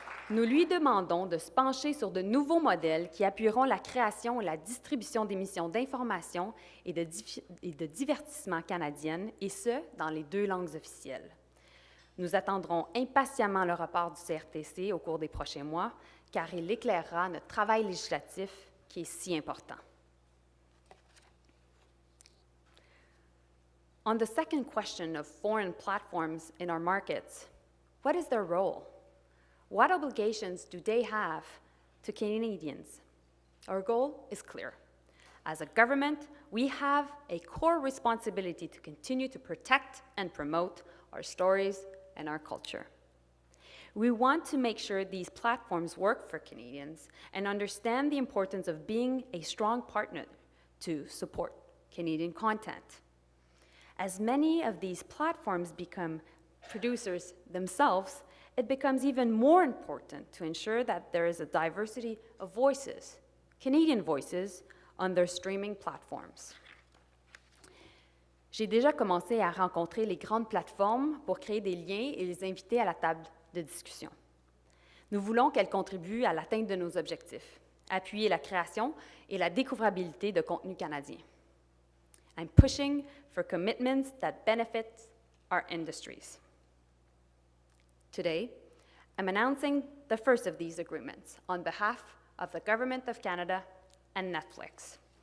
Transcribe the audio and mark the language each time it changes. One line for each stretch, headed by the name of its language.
French: Nous lui demandons de se pencher sur de nouveaux modèles qui appuieront la création et la distribution d'émissions d'information et de divertissement canadiennes, et ce, dans les deux langues officielles. Nous attendrons impatiemment le rapport du CRTC au cours des prochains mois, car il éclairera notre travail législatif qui est si important.
English: On the second question of foreign platforms in our markets, what is their role? What obligations do they have to Canadians? Our goal is clear. As a government, we have a core responsibility to continue to protect and promote our stories and our culture. We want to make sure these platforms work for Canadians and understand the importance of being a strong partner to support Canadian content. As many of these platforms become producers themselves, it becomes even more important to ensure that there is a diversity of voices, Canadian voices, on their streaming platforms.
French: J'ai déjà commencé à rencontrer les grandes plateformes pour créer des liens et les inviter à la table de discussion. Nous voulons qu'elles contribuent à l'atteinte de nos objectifs, appuyer la création et la découvrabilité de contenu canadien.
English: I'm pushing for commitments that benefit our industries. Today, I'm announcing the first of these agreements on behalf of the Government of Canada and Netflix.